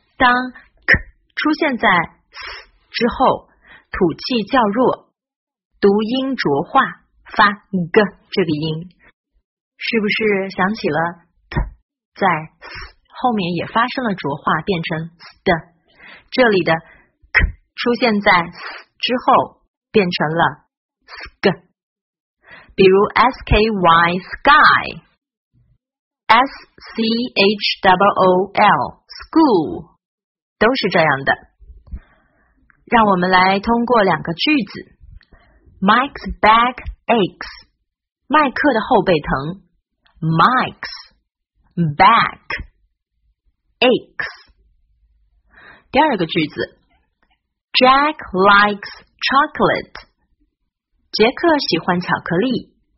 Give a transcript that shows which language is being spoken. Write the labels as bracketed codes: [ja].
[zh] 当 k 出现在 s 之后，吐气较弱，读音浊化，发 g 这个音。是不是想起了 t 在 s 后面也发生了浊化，变成 s 的？这里的 k 出现在 s 之后，变成了 sk。比如 sky sky school school 都是这样的。让我们来通过两个句子。 [en] Mike's back aches， [zh] 麦克的后背疼。 [en] Mike's back aches。 [zh] 第二个句子， [en] Jack likes chocolate， [zh] 杰克喜欢巧克力。